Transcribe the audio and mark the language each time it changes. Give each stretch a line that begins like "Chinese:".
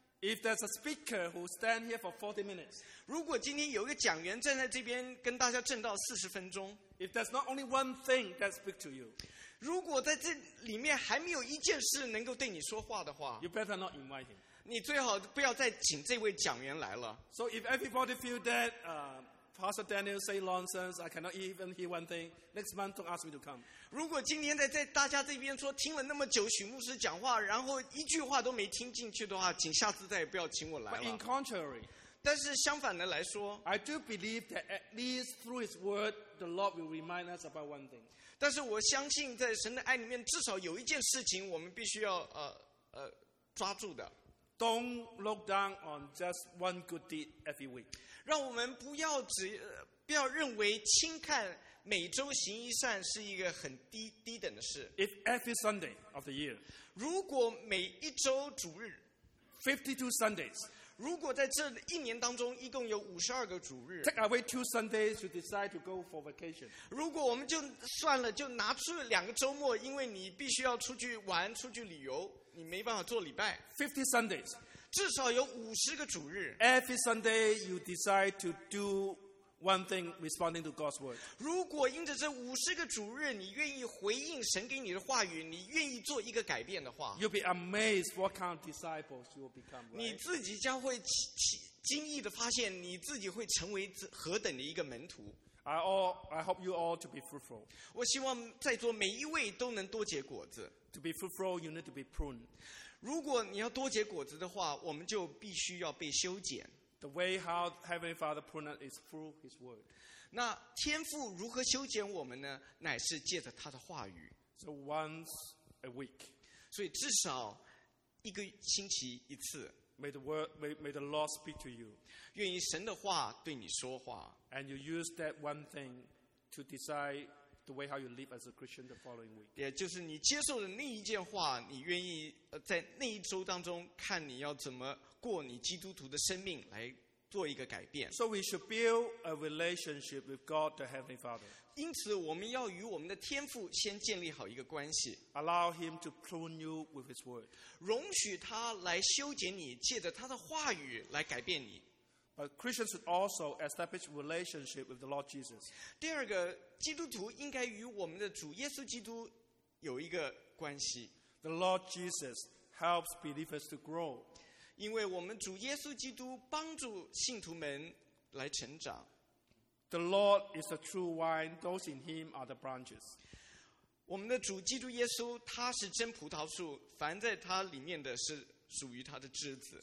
English: If there's a speaker who stand here for 40 minutes,
Chinese: 如果今天有一个讲员站在这边跟大家证道40分钟，
English: if there's not only one thing that speaks to you,
Chinese: 如果在这里面还没有一件事能够对你说话的话，
English: you better not invite him.
Chinese: 你最好不要再请这位讲员来了。
English: So if everybody feels that Pastor Daniel say nonsense, I cannot even hear one thing, next month don't ask me to come.
Chinese: 如果今天在大家这边说听了那么久许牧师讲话然后一句话都没听进去的话请下次再也不要请我来了。
English: But in contrary,
Chinese: 但是相反的来说
English: I do believe that at least through his word the Lord will remind us about one thing.
Chinese: 但是我相信在神的爱里面至少有一件事情我们必须要抓住的。
English: Don't look down on just one good deed every week.
Chinese: 让我们不要只不要认为轻看每周行一善是一个很 低等的事。
English: If every Sunday of the year,
Chinese: 如果每一周主日
English: 52 Sundays,
Chinese: 如果在这一年当中一共有52个主日
English: Take away 2 Sundays to decide to go for vacation.
Chinese: 如果我们就算了就拿出两个周末因为你必须要出去玩出去旅游你没办法做礼拜
English: 50 Sundays.
Chinese: 至少有50个主日
English: Every Sunday you decide to doone thing responding to God's word.
Chinese: 如果因着这五十个主日，你愿意回应神给你的话语，你愿意做一个改变的话
English: ，You'll be amazed what kind of disciples you will become.、Right?
Chinese: 你自己将会惊异的发现，你自己会成为何等的一个门徒。
English: I hope you all to be fruitful.
Chinese: 我希望在座每一位都能多结果子。
English: To be fruitful, you need to be pruned.
Chinese: 如果你要多结果子的话，我们就必须要被修剪。
English: The way how Heavenly Father prunes us is through His Word.
Chinese: 那天父如何修剪我们呢？乃是借着他的话语。
English: So once a week.
Chinese: 所以至少一个星期一次。
English: May the Lord speak to you.
Chinese: 愿意神的话对你说话。
English: And you use that one thing to decide the way how you live as a Christian the following week.
Chinese: 也就是你接受的那一件话，你愿意在那一周当中看你要怎么。过你基督徒的生命来做一个改变。
English: So we should build a relationship with God, the Heavenly Father.
Chinese: 因此，我们要与我们的天父先建立好一个关系。
English: Allow Him to prune you with His Word.
Chinese: 容许他来修剪你，借着他的话语来改变你。
English: But Christians should also establish relationship with the Lord Jesus.
Chinese: 第二个，基督徒应该与我们的主耶稣基督有一个关系。
English: The Lord Jesus helps believers to grow.
Chinese: 因为我们主耶稣基督帮助信徒们来成长。
English: The Lord is the true wine; those in Him are the branches.
Chinese: 我们的主基督耶稣，他是真葡萄树，凡在他里面的是属于他的枝子。